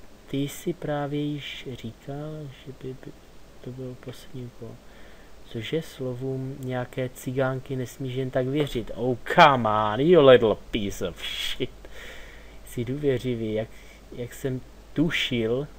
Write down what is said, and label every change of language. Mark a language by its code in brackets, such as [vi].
[cs] Ty jsi právě již říkal, že by to byl poslední úkol. Cože slovům nějaké cigánky nesmíš jen tak věřit? [en] Oh, come on, you little piece of shit. [cs] Jsi důvěřivý, jak jsem tušil.